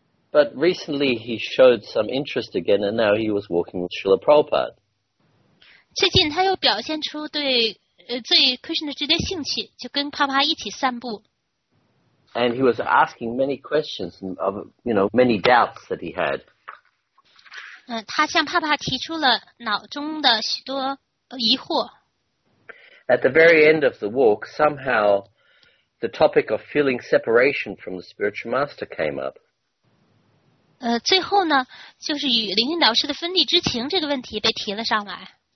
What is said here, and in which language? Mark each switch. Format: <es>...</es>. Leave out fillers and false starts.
<en>But recently he showed some interest again, and now he was walking with Srila Prabhupada.</en> <zh>最近他又表现出对 Krishna 之觉兴趣，就跟帕帕一起散步。</zh> <en>And he was asking many questions of, you know, many doubts that he had.</en> <zh>他向帕帕提出了脑中的许多疑惑。</zh> <en>At the very end of the walk, somehow, the topic of feeling separation from the spiritual master came up.</en> <zh>最后呢，就是与灵性导师的分离之情这个问题被提了上来。</zh>